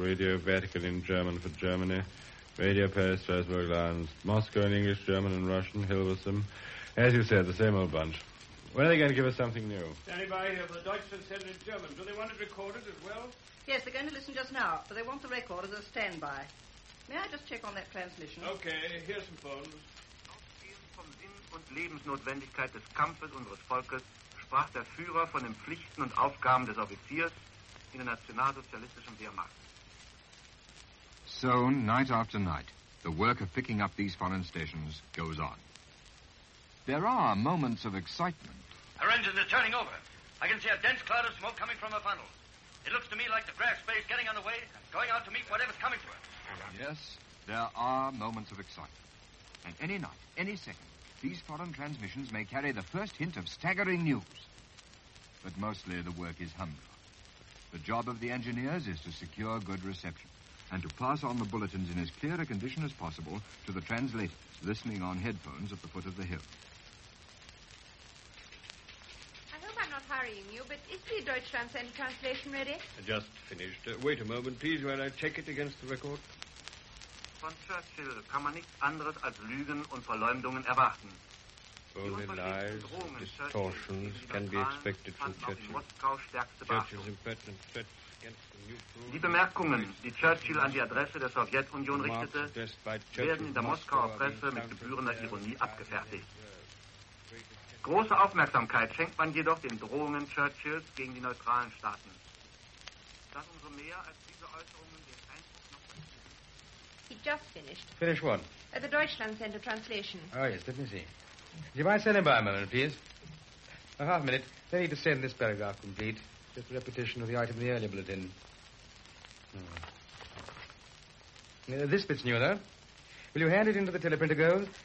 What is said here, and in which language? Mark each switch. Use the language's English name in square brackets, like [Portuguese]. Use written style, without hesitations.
[English] Radio Vatican in German for Germany. Radio Paris, Strasbourg, Lyons. Moscow in English, German and Russian. Hilversum. As you said, the same old bunch. When are they going to give us something new? Standing by here for the Deutschland said in German. Do they want it recorded as well? Yes, they're going to listen just now, but they want the record as a standby. May I just check on that transmission? Okay, here's some phones. [German] Vom Sinn und Lebensnotwendigkeit des Kampfes unseres Volkes sprach der Führer von den Pflichten und Aufgaben des Offiziers in der nationalsozialistischen Wehrmacht. [English] So, night after night, the work of picking up these foreign stations goes on. There are moments of excitement. Her engines are turning over. I can see a dense cloud of smoke coming from her funnel. It looks to me like the grass space getting on the way and going out to meet whatever's coming for it. Yes, there are moments of excitement. And any night, any second, these foreign transmissions may carry the first hint of staggering news. But mostly the work is humdrum. The job of the engineers is to secure good reception and to pass on the bulletins in as clear a condition as possible to the translators listening on headphones at the foot of the hill. I hope I'm not hurrying you, but is the Deutschlandsend translation ready? Just finished. Wait a moment, please, while I check it against the record. [German] Von Churchill kann man nichts anderes als Lügen und Verleumdungen erwarten. [English] Only lies, distortions can be expected from Churchill's impertinent threats against the new rule. [German] Die Bemerkungen, die Churchill an die Adresse der Sowjetunion richtete, werden in der Moskauer Presse mit gebührender Ironie abgefertigt. Große Aufmerksamkeit schenkt man jedoch den Drohungen Churchills gegen die neutralen Staaten. Das umso mehr, als diese Äußerungen den Einfluss noch. [English] He just finished. Finish what? At the Deutschland Center translation. Oh, yes, let me see. Do you mind standing by a moment, please? A half minute. They need to send this paragraph complete. Just a repetition of the item in the earlier bulletin. This bit's new, though. Will you hand it into the teleprinter girl?